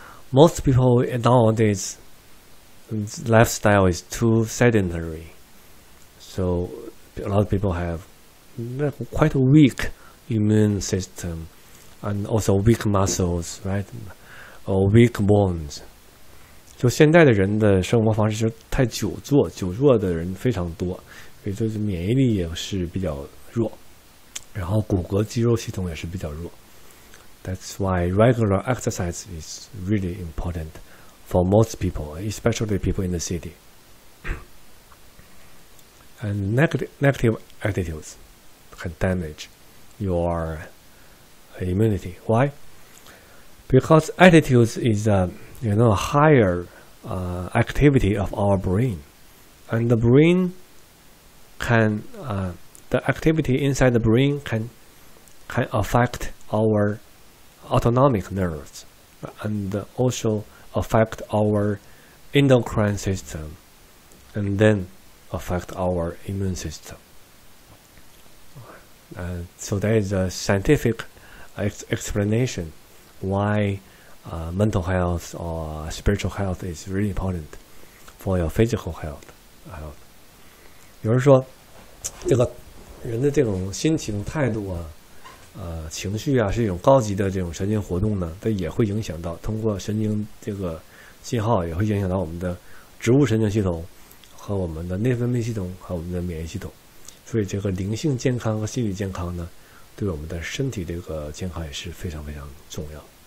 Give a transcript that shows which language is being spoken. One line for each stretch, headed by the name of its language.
English: Most people nowadays lifestyle is too sedentary. So a lot of people have quite a weak immune system and also weak muscles, right? Or weak bones.
Chinese: 就现代的人的生活方式就太久坐，久坐的人非常多，也就是免疫力也是比较弱，然后骨骼肌肉系统也是比较弱。
English: That's why regular exercise is really important for most people, especially people in the city. And negative attitudes can damage your immunity. Why? Because attitudes is a higher activity of our brain. And the brain can, the activity inside the brain can affect our autonomic nerves and also affect our endocrine system. And then,affect our immune system. So there is a scientific explanation why mental health or spiritual health is really important for your physical health.
Chinese: 有人说这个人的这种心情态度啊情绪啊是一种高级的这种神经活动呢它也会影响到通过神经这个信号也会影响到我们的植物神经系统。和我们的内分泌系统和我们的免疫系统，所以这个灵性健康和心理健康呢，对我们的身体这个健康也是非常非常重要。